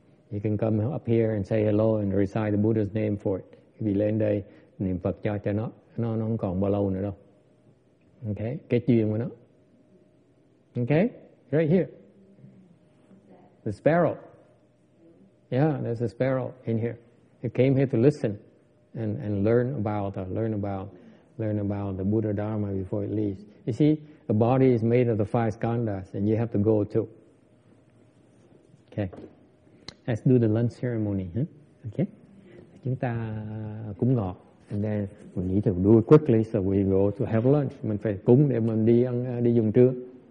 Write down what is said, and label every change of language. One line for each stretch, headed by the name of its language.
English: You can come up here and say hello and recite the Buddha's name for it. If you land
Vietnamese: đây niệm Phật cho nó không còn bao lâu nữa đâu.
English: Okay,
Vietnamese: cái chuyện của nó.
English: Okay, right here. The sparrow. Yeah, there's a sparrow in here. It came here to listen and learn about the Buddha Dharma before it leaves. You see, the body is made of the 5 skandhas, and you have to go too. Okay, let's do the lunch ceremony. Huh? Okay,
Vietnamese: chúng ta cúng ngọt,
English: and then we need to do it quickly so we go to have lunch.
Vietnamese: Mình phải cúng để mình đi ăn, đi dùng trưa.